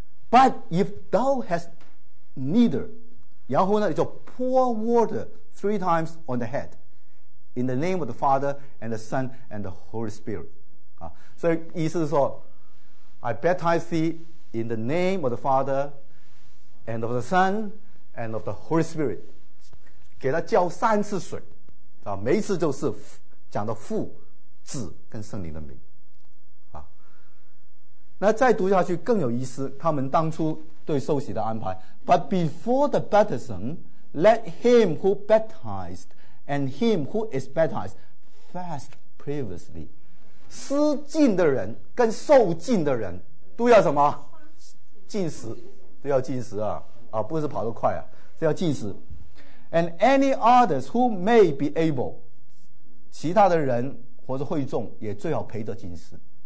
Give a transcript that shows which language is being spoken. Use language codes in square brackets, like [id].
[en] But if thou hast neither， [zh] 然后呢就 [en] pour water three times on the head in the name of the Father and the Son and the Holy Spirit [zh] 啊，所以意思是说 [en] I baptize thee in the name of the Father and of the Son and of the Holy Spirit， [zh] 给他浇三次水啊，每一次就是讲到父子跟圣灵的名。那再读下去更有意思，他们当初对受洗的安排。 [en] But before the baptism, let him who baptized and him who is baptized fast previously. [zh] 施浸的人跟受浸的人都要什么？禁食，都要禁食啊！啊，不是跑得快啊，是要禁食。 [en] And any others who may be able， [zh] 其他的人或者会众也最好陪着禁食。